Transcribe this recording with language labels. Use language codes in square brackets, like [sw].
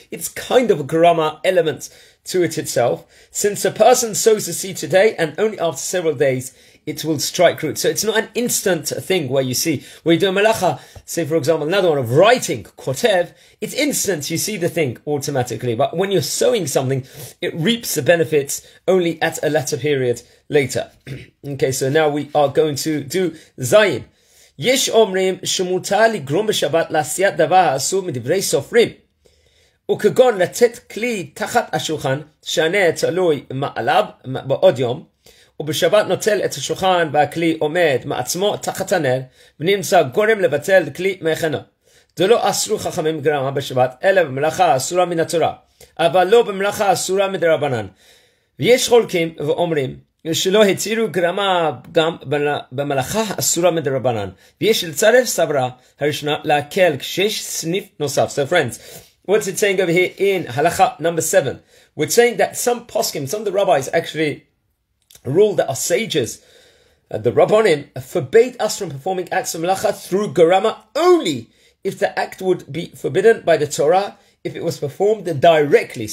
[en] It's kind of a grama element to it itself. Since a person sows the seed today, and only after several days, it will strike root. So it's not an instant thing where you see, where you do a malacha, say for example, another one of writing, kotev, it's instant, you see the thing automatically. But when you're sowing something, it reaps the benefits only at a later period later. Okay, so now we are going to do Zayin. [he] יש אומרים שמותר לגרום בשבת לעשיית דבר האסור מדברי סופרים, וכגון לתת כלי תחת השולחן שענה תלוי מעליו בעוד יום, ובשבת נוטל את השולחן והכלי עומד מעצמו תחת הנר, ונמצא גורם לבטל כלי מכנו. זה לא אסרו חכמים גרמה בשבת, אלא במלאכה אסורה מן התורה, אבל לא במלאכה אסורה מדרבנן. ויש חולקים ואומרים, שלא הצירו גרמה גם במלאכה אסורה מדרבנן. ויש לצרף סברה הראשונה להקל כשיש סניף נוסף. [en] So friends, what's it saying over here in halacha number 7? We're saying that some poskim, some of the rabbis actually rule that our sages, the rabbonim, forbade us from performing acts of melacha through grama only if the act would be forbidden by the Torah, if it was performed directly.